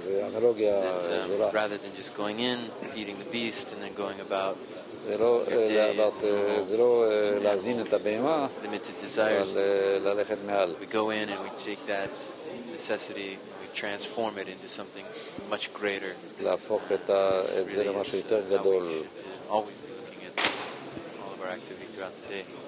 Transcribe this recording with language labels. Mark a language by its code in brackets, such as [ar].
[en] That, rather than just going in, feeding the beast and then going about your day limited desires, we go in and we take that necessity, we transform it into something much greater. [he] להפוך את זה למשהו יותר גדול. [en] Always be looking at all of our activity throughout the day.